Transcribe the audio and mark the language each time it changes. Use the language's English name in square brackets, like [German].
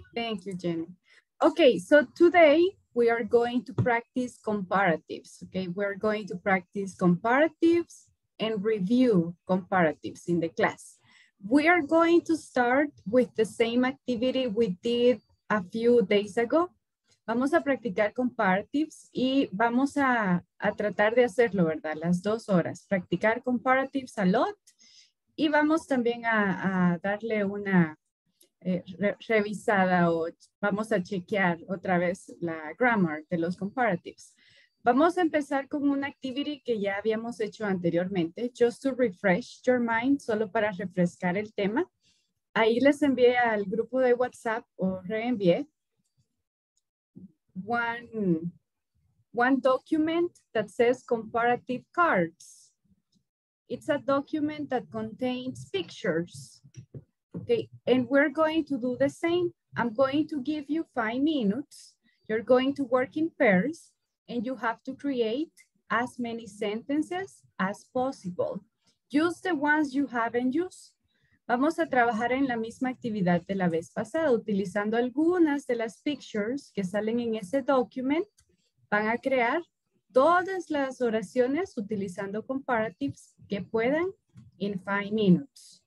[English] Thank you, Jenny. Okay, so today we are going to practice comparatives. Okay, we're going to practice comparatives and review comparatives in the class. We are going to start with the same activity we did a few days ago. [Spanish] Vamos a practicar comparatives y vamos a tratar de hacerlo, ¿verdad? Las dos horas. [English] Practicar comparatives a lot. [Spanish] Y vamos también a darle una revisada o vamos a chequear otra vez la grammar de los comparatives. Vamos a empezar con una activity que ya habíamos hecho anteriormente, [English] just to refresh your mind, [Spanish] solo para refrescar el tema. Ahí les envié al grupo de WhatsApp o reenvié [English] one document that says comparative cards. It's a document that contains pictures. Okay, and we're going to do the same. I'm going to give you 5 minutes. You're going to work in pairs. And you have to create as many sentences as possible. Use the ones you haven't used. [Spanish] Vamos a trabajar en la misma actividad de la vez pasada, utilizando algunas de las pictures que salen en ese document. Van a crear todas las oraciones utilizando comparatives que puedan [English] in 5 minutes.